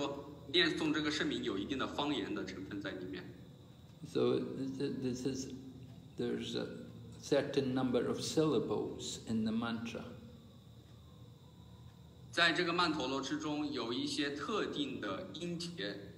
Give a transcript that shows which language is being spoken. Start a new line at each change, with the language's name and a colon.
Chinese: 通常你们是用中文发音发送这个圣名的声音，我们是用其他国家的，就是说念诵这个圣名有一定的方言的成分在里面。
English: So this is there's a certain number of syllables in the mantra.
Chinese: 在这个曼陀罗之中有一些特定的音节。